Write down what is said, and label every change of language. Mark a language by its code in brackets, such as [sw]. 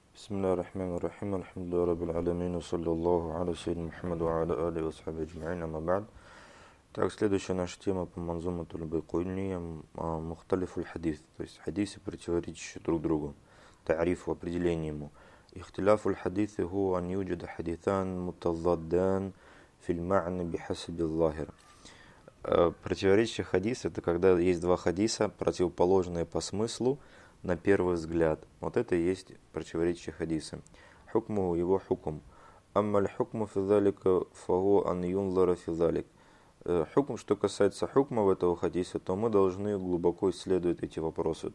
[ar] بسم الله الرحمن الرحيم، الحمد لله رب العالمين، وصلى الله على سيد محمد وعلى آله وصحبه أجمعين. أما بعد، [ru] так следующая наша тема по манзумату аль-байкуиния мухталифу аль-хадис, то есть хадисы, противоречащие друг другу, тариф, определение ему. [ar] Ихтиляфу аль-хадис هو أن يوجد حديثان متضادان في المعنى بحسب الظاهر. [ru] Противоречие хадиса — это когда есть два хадиса, противоположные по смыслу на первый взгляд. Вот это и есть противоречие хадиса. Хукму, его хукм. [ar] Амма аль-хукму фи залика фаху ан юнзара фи залик. [ru] Хукм, что касается хукма в этого хадиса, то мы должны глубоко исследовать эти вопросы.